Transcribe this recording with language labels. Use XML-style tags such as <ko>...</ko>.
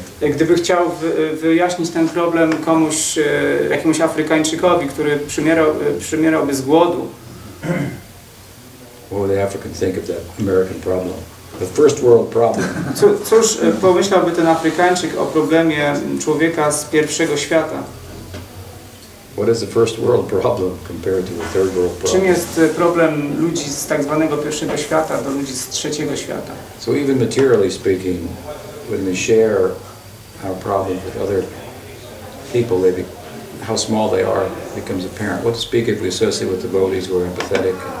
<pl>Gdyby chciał wyjaśnić ten problem komuś, jakiemuś Afrykańczykowi, który przymierałby z głodu.</pl> <en>What would the African think of that American problem? The first world problem.</en> <pl>Cóż pomyślałby ten Afrykańczyk o problemie człowieka z pierwszego świata?</pl> <en>What is the first world problem compared to the third world problem?</en> <pl>Czym jest problem ludzi z tak zwanego pierwszego świata do ludzi z trzeciego świata?</pl> <en>So even materially speaking, when we share our problems with other people, how small they are becomes apparent. What to speak if we associate with devotees who are empathetic?</en>